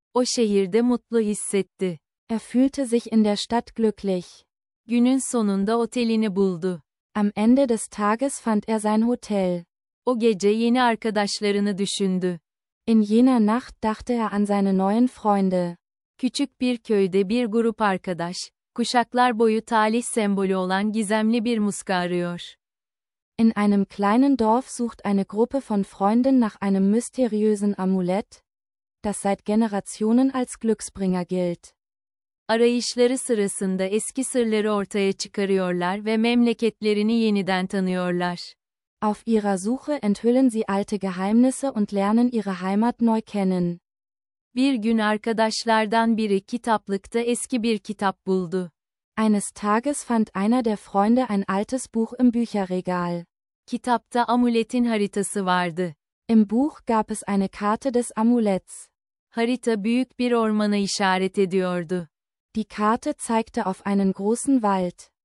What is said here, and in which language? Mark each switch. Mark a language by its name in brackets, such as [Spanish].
[Turkish] O şehirde mutlu hissetti. [German] Fühlte sich in der Stadt glücklich. [Turkish] Günün sonunda otelini buldu. [German] Am Ende des Tages fand sein Hotel. [Turkish] O gece yeni arkadaşlarını düşündü. [German] In jener Nacht dachte an seine neuen Freunde. [Turkish] Küçük bir köyde bir grup arkadaş, kuşaklar boyu talih sembolü olan gizemli bir muska arıyor. [German] In einem kleinen Dorf sucht eine Gruppe von Freunden nach einem mysteriösen Amulett, das seit Generationen als Glücksbringer gilt. [Turkish] Arayışları sırasında eski sırları ortaya çıkarıyorlar ve memleketlerini yeniden tanıyorlar. [German] Auf ihrer Suche enthüllen sie alte Geheimnisse und lernen ihre Heimat neu kennen. [Turkish] Bir gün arkadaşlardan biri kitaplıkta eski bir kitap buldu. [German] Eines Tages fand einer der Freunde ein altes Buch im Bücherregal. [Turkish] Kitapta amuletin haritası vardı. [German] Im Buch gab es eine Karte des Amuletts. [Turkish] Harita büyük bir ormana işaret ediyordu. [German] Die Karte zeigte auf einen großen Wald.